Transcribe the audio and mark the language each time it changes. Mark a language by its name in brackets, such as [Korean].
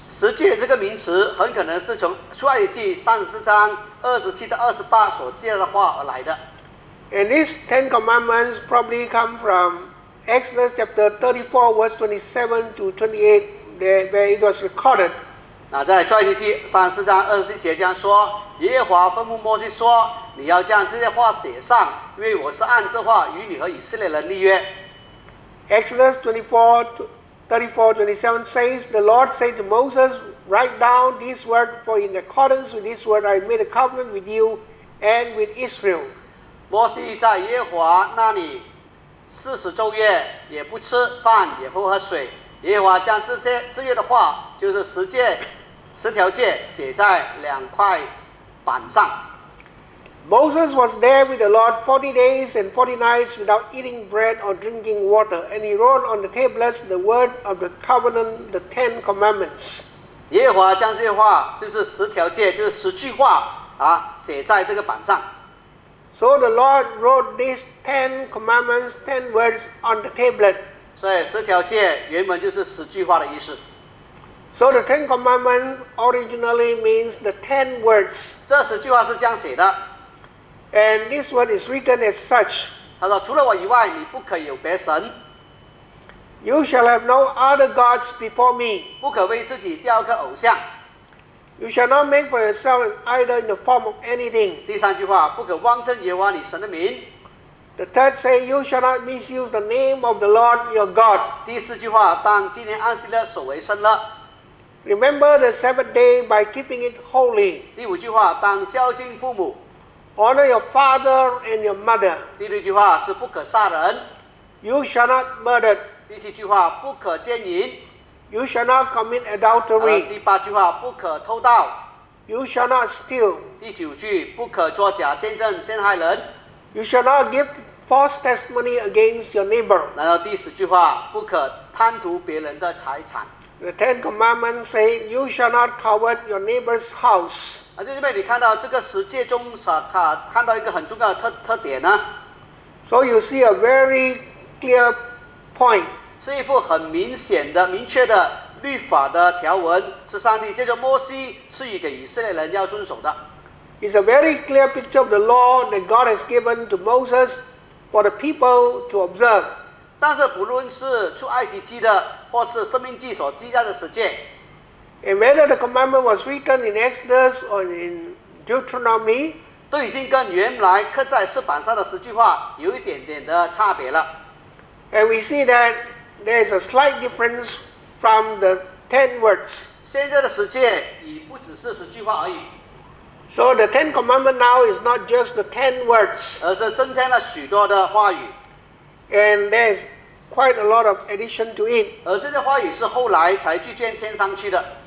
[Chinese] 实践这个名词很可能是从出埃及记三十四章二十七到二十八所借的话而来的。 [English] And these Ten Commandments probably come from Exodus chapter 34, verse 27 to 28, where it was recorded. [Chinese] 那在出埃及记三十四章二十七节这样说，耶和华吩咐摩西说，你要将这些话写上，因为我是按这话与你和以色列人立约。 [English] Exodus 24:27 says, The Lord said to Moses, Write down this word, for in accordance with this word I made a covenant with you and with Israel. [Chinese] 摩西在耶和华那里四十昼夜也不吃饭也不喝水，耶和华将这些的话，就是十条诫，写在两块板上。 [English] Moses was there with the Lord 40 days and 40 nights without eating bread or drinking water, and he wrote on the tablets the word of the covenant, the Ten Commandments. [Chinese] 耶和华将这些话，就是十条诫，就是十句话啊，写在这个板上。 [English] So the Lord wrote these Ten Commandments, Ten words on the tablet. [Chinese] 所以十条诫原本就是十句话的意思。 [English] So the Ten Commandments originally means the Ten words. [Chinese] 这十句话是这样写的。 [English] And this one is written as such. [Chinese] 他说，除了我以外，你不可有别神。 [English] You shall have no other gods before me. [Chinese] 不可为自己雕刻偶像。 [English] You shall not make for yourself an idol in the form of anything. [Chinese] 第三句话，不可妄称耶和华你神的名。 [English] The third say, you shall not misuse the name of the Lord your God. [Chinese] 第四句话，当纪念安息日守为圣了。 [English] Remember the seventh day by keeping it holy. [Chinese] 第五句话，当孝敬父母。 [English] Honor your father and your mother. [Chinese] 第六句话是不可杀人。 [English] You shall not murder. [Chinese] 第七句话不可奸淫。 [English] You shall not commit adultery. [Chinese] 第八句话不可偷盗。 [English] You shall not steal. [Chinese] 第九句不可作假见证陷害人。 [English] You shall not give false testimony against your neighbor. [Chinese] 然后第十句话不可贪图别人的财产。 [English] The Ten Commandments say you shall not covet your neighbor's house. [Chinese] 啊，弟兄们，你看到这个十诫中看到一个很重要的特点呢？ [English] So you see a very clear point. [Chinese] 是一幅很明显的、明确的律法的条文，是上帝借着摩西赐予给以色列人要遵守的。 [English] It's a very clear picture of the law that God has given to Moses for the people to observe. [Chinese] 但是不论是出埃及记的或是生命记所记载的十诫， [English] And whether the commandment was written in Exodus or in Deuteronomy, [Chinese] 都已经跟原来刻在石板上的十句话有一点点的差别了。 [English] And we see that there is a slight difference from the ten words. [Chinese] 现在的十诫已不只是十句话而已。 [English] So the ten commandment now is not just the ten words, [Chinese] 而是增添了许多的话语。 [English] And there's quite a lot of addition to it. [Chinese] 而这些话语是后来才逐渐添上去的。